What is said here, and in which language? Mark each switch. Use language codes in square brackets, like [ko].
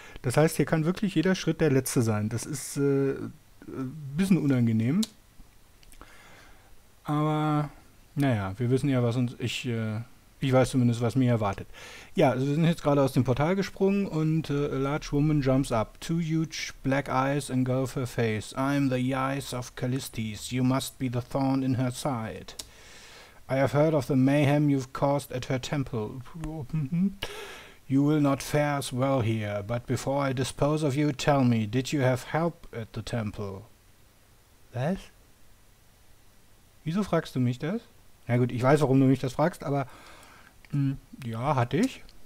[de] Das heißt, hier kann wirklich jeder Schritt der letzte sein. Das ist ein bisschen unangenehm. Aber naja, wir wissen ja, was uns. Ich weiß zumindest, was mir erwartet. Ja, also wir sind jetzt gerade aus dem Portal gesprungen und [en] a large woman jumps up. Two huge black eyes engulf her face. I'm the eyes of Callistis. You must be the thorn in her side. I have heard of the mayhem you've caused at her temple. You will not fare as well here, but before I dispose of you, tell me, did you have help at the temple? [de] Was? Wieso fragst du mich das? Na gut, ich weiß, warum du mich das fragst, aber ja, hatte ich.